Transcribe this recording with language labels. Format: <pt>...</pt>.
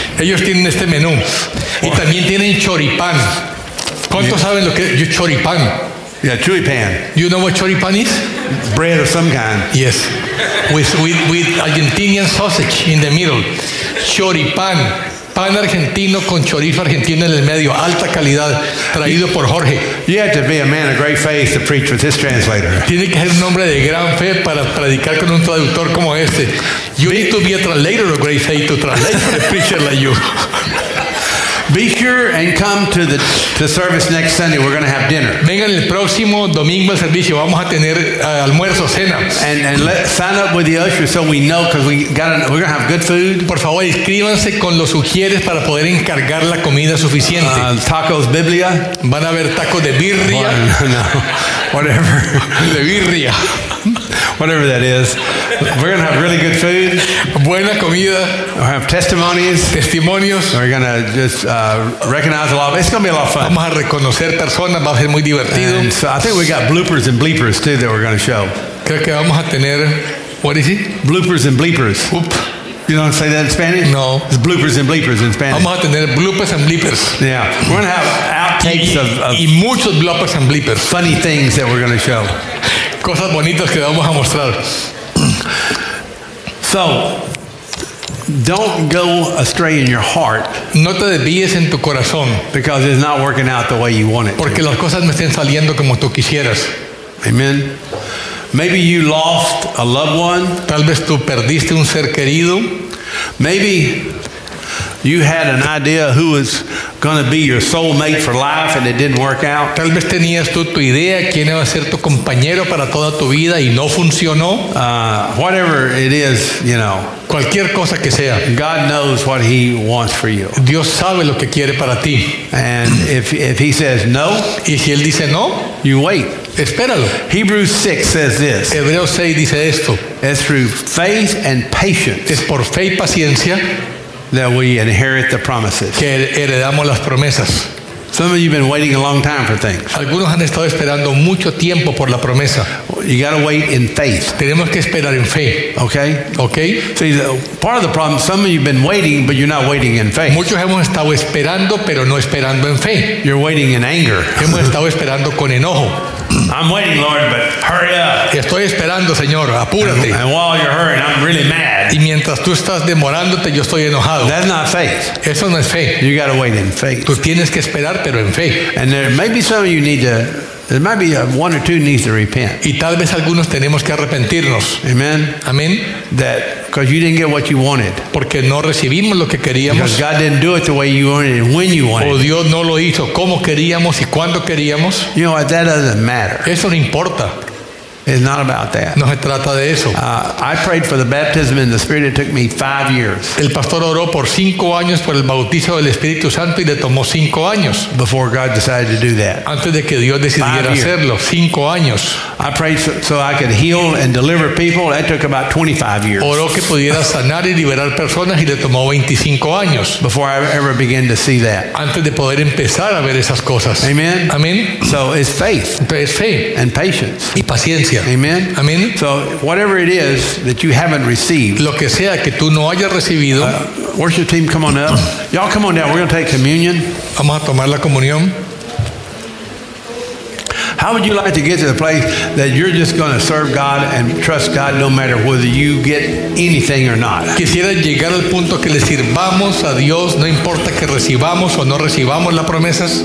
<es>Ellos tienen este menú. Y también tienen choripán. ¿Cuántos saben lo que es choripán?</es> <en>Yeah, choripan. You know what choripan is? Bread of some kind. Yes. With Argentinian sausage in the middle. Choripan.</en> <es>Pan argentino con chorizo argentino en el medio. Alta calidad. Traído por Jorge.</es> <en>You have to be a man of great faith to preach with this translator.</en> <es>Tiene que ser un hombre de gran fe para predicar con un traductor como este.</es> <en>You need to be a translator of great faith to translate for a preacher like you. Be sure and come to the service next Sunday. We're going to have dinner.</en> <es>Vengan el próximo domingo al servicio. Vamos a tener almuerzo, cena.</es> <en>And let sign up with the usher so we know because we're going to have good food.</en> <es>Por favor, inscríbanse con los ujieres para poder encargar la comida suficiente.</es> <en>Tacos Biblia.</en> <es>Van a ver tacos de birria.</es> <en>No, whatever.</en> <es>De birria.</es> <en>Whatever that is. We're going to have really good food.</en> <es>Buena comida.</es> <en>We'll have testimonies.</en> <es>Testimonios.</es> <en>We're going to just recognize a lot. It's going to be a lot of fun.</en> <es>Vamos a reconocer personas. Va a ser muy divertido.</es> <en>And so I think we got bloopers and bleepers too that we're going to show.</en> <es>Creo que vamos a tener,</es> <en>what is it? Bloopers and bleepers. Oops. You don't say that in Spanish? No. It's bloopers and bleepers in Spanish.</en> <es>Vamos a tener bloopers and bleepers.</es> <en>Yeah. We're going to have outtakes</en> <es>y muchos bloopers and bleepers.</es> <en>Funny things that we're going to show.</en> <es>Cosas bonitas que vamos a mostrar.</es> <en>So, don't go astray in your heart.</en> <es>No te desvíes en tu corazón.</es> <en>Because it's not working out the way you want it.</en> <es>Porque las cosas no estén saliendo como tú quisieras.</es> <en>Amen. Maybe you lost a loved one.</en> <es>Tal vez tú perdiste un ser querido.</es> <en>Maybe you had an idea who was going to be your soulmate for life and it didn't work out.</en> <es>Tal vez tenías tú tu idea quién iba a ser tu compañero para toda tu vida y no funcionó.</es> <en>Whatever it is, you know.</en> <es>Cualquier cosa que sea.</es> <en>God knows what he wants for you.</en> <es>Dios sabe lo que quiere para ti.</es> <en>And if he says no,</en> <es>y si él dice no,</es> <en>you wait.</en> <es>Espéralo.</es> <en>Hebrews 6 says this.</en> <es>Hebreos 6 dice esto.</es> <en>It's through faith and patience.</en> <es>Es por fe y paciencia.</es> <en>That we inherit the promises.</en> <es>Que heredamos las promesas.</es> <en>Some of you have been waiting a long time for things.</en> <es>Algunos han estado esperando mucho tiempo por la promesa.</es> <en>You got to wait in faith.</en> <es>Tenemos que esperar en fe. Okay. Okay.</es> <en>So part of the problem, some of you have been waiting, but you're not waiting in faith.</en> <es>Muchos hemos estado esperando, pero no esperando en fe.</es> <en>You're waiting in anger.</en> <es>Hemos estado esperando con enojo.</es> <en>I'm waiting, Lord, but hurry up.</en> <es>Estoy esperando, Señor, apúrate.</es> <en>And while you're hurrying, I'm really mad.</en> <es>Y mientras tú estás demorándote, yo estoy enojado.</es> <en>That's not faith.</en> <es>Eso no es fe.</es> <en>You got to wait in faith.</en> <es>Tú tienes que esperar, pero en fe.</es> <en>And there may be some of you need to, there might be one or two needs to repent.</en> <es>Y tal vez algunos tenemos que arrepentirnos. Amen. Amen.</es> <en>That because you didn't get what you wanted.</en> <es>Porque no recibimos lo que queríamos.</es> <en>Because God didn't do it the way you wanted and when you wanted.</en> <es>O Dios no lo hizo como queríamos y cuando queríamos.</es> <en>You know what, that doesn't matter.</en> <es>Eso no importa.</es> <en>It's not about that.</en> <es>No se trata de eso.</es> <en>I prayed for the baptism in the Spirit. It took me 5 years.</en> <es>El pastor oró por 5 años por el bautizo del Espíritu Santo y le tomó 5 años.</es> <en>Before God decided to do that.</en> <es>Antes de que Dios decidiera hacerlo. 5 años.</es> <en>I prayed so I could heal and deliver people. That took about 25 years.</en> <es>Oró que pudiera sanar y liberar personas y le tomó 25 años.</es> <en>Before I ever began to see that.</en> <es>Antes de poder empezar a ver esas cosas.</es> <en>Amen. Amen. So it's faith.</en> <es>Entonces, fe.</es> <en>And patience.</en> <es>Y paciencia. Amen. Amen.</es> <en>So whatever it is that you haven't received,</en> <es>lo que sea que tú no hayas recibido,</es> <en>worship team, come on up. Y'all come on down. We're going to take communion.</en> <es>Vamos a tomar la comunión.</es> <en>How would you like to get to the place that you're just going to serve God and trust God no matter whether you get anything or not?</en> <es>Quisiera llegar al punto que le sirvamos a Dios no importa que recibamos o no recibamos las promesas.</es>